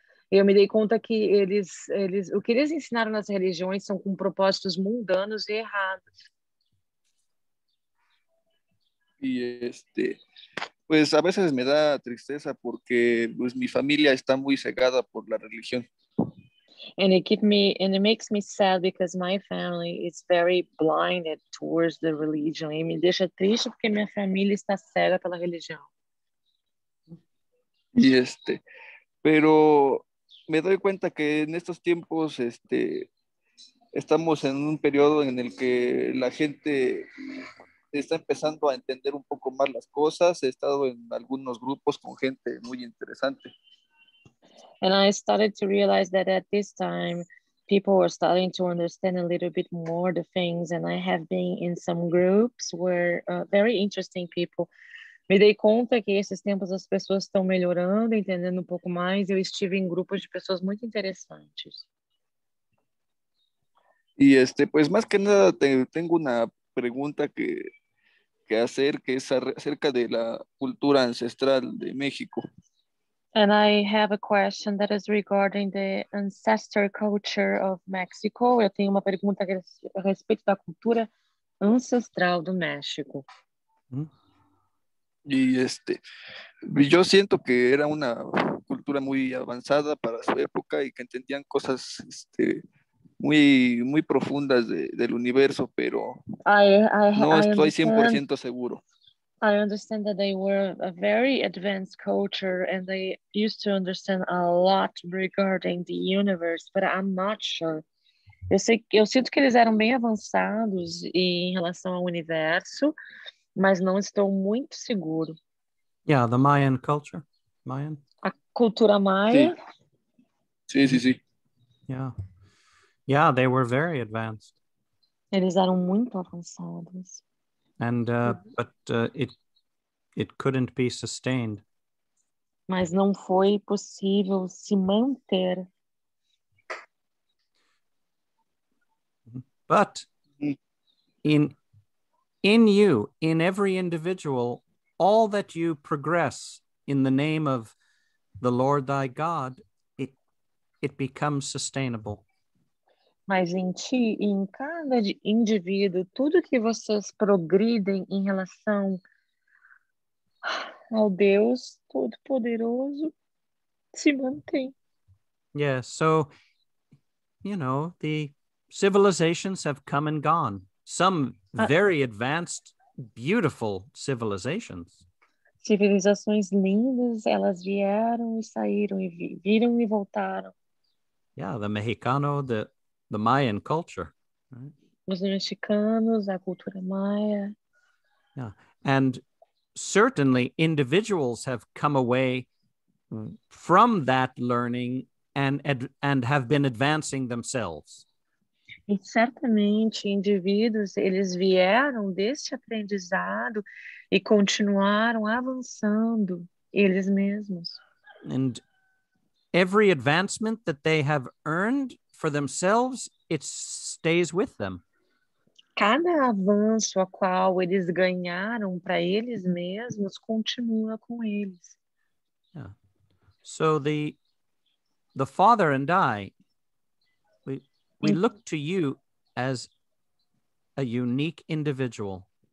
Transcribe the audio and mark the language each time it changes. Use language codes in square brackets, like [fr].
[pt] Eu me dei conta que eles o que eles ensinaram nas religiões são com propósitos mundanos e errados. [es] E pues a veces me da tristeza porque pues mi familia está muy cegada por la religión. [en] And it makes me sad because my family is very blinded towards the religion. [pt] E me deixa triste porque minha família está cega pela religião. [es] E pero me doy cuenta que en estos tiempos estamos en un periodo en el que la gente está empezando a entender un poco más las cosas. He estado en algunos grupos con gente muy interesante. [en] And I started to realize that at this time people were starting to understand a little bit more the things, and I have been in some groups where very interesting people. [pt] Me dei conta que esses tempos as pessoas estão melhorando, entendendo um pouco mais. Eu estive em grupos de pessoas muito interessantes. [es] Y este, pues más que nada tengo una pregunta que hacer, que es acerca de la cultura ancestral de México. [en] And I have a question that is regarding the ancestor culture of Mexico. [pt] Eu tenho uma pergunta a respeito da cultura ancestral do México. [es] Y este, yo siento que era una cultura muy avanzada para su época y que entendían cosas este, muy, muy profundas del universo, pero no estoy 100% seguro. [en] I understand that they were a very advanced culture and they used to understand a lot regarding the universe, but I'm not sure. [pt] Eu sinto que eles eram bem avançados em relação ao universo, mas não estou muito seguro. [en] Yeah, the Mayan culture. Mayan? [pt] A cultura Maya? Sim, sim, sim. [en] Yeah. Yeah, they were very advanced. [pt] Eles eram muito avançados. [en] And but it couldn't be sustained. [pt] Mas não foi possível se manter. [en] But in you, in every individual, all that you progress in the name of the Lord thy God, it becomes sustainable. [pt] Mas em ti, em cada indivíduo, tudo que vocês progridem em relação ao Deus Todo-Poderoso se mantém. [en] Yeah, so, you know, the civilizations have come and gone. Some very advanced, beautiful civilizations. [pt] Civilizações lindas, elas vieram e saíram e viram e voltaram. [en] Yeah, the Mexicano, the Mayan culture. Right? [pt] Os mexicanos, a cultura maia. [en] Yeah. And certainly individuals have come away from that learning and have been advancing themselves. [pt] E certamente indivíduos, eles vieram deste aprendizado e continuaram avançando eles mesmos. [en] And every advancement that they have earned for themselves, it stays with them. [pt] Cada avanço a qual eles ganharam para eles mesmos continua com eles. [en] Yeah. So the father and I, we look to you as a unique individual.